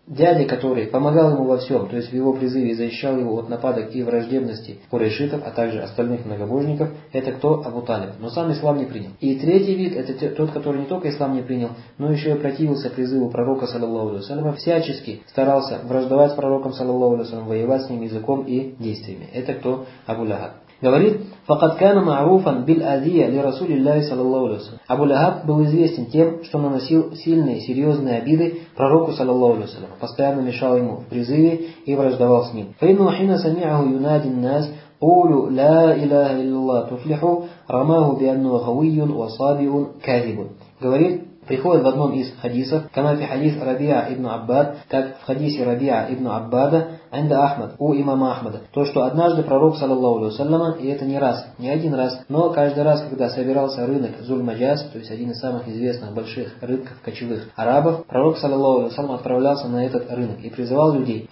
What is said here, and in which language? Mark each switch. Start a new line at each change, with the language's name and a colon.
Russian: Дядя, который помогал ему во всем, то есть в его призыве, защищал его от нападок и враждебности курайшитов, а также остальных многобожников, это кто? Абу Талиб. Но сам ислам не принял. И третий вид, это тот, который не только ислам не принял, но еще и противился призыву пророка, саллаллаху алейхи ва саллям, всячески старался враждовать с пророком, саллаллаху алейхи ва саллям, воевать с ним языком и действиями. Это кто? Абу Лахаб.
Arabic: Говорит, فقد كان معروفا بالأذية لرسول الله صلى الله عليه وسلم.
Russian: Абу Лахаб был известен тем, что наносил сильные, серьезные обиды пророку, саллаллаху алейхи ва саллям, постоянно мешал ему в призыве и враждовал с ним.
Arabic: فإنه حين سمعه ينادي الناس قولوا لا إله إلا الله تفلحوا رماه بأنه غوي وصابع كاذب.
Russian: Говорит, приходит в одном из хадисов,
Arabic: كما في حديث ربيعة ابن عباد,
Russian: как в хадисе
Arabic: ربيعة ابن عبادة عند أحمد,
Russian: у имама Ахмада, то, что однажды пророк, саллаллаху алейхи ва саллям, и это не раз, не один раз, но каждый раз, когда собирался рынок Зуль-Маджаз, то есть один из самых известных больших рынков кочевых арабов, пророк, саллаллаху алейхи ва саллям, отправлялся на этот рынок и призывал людей.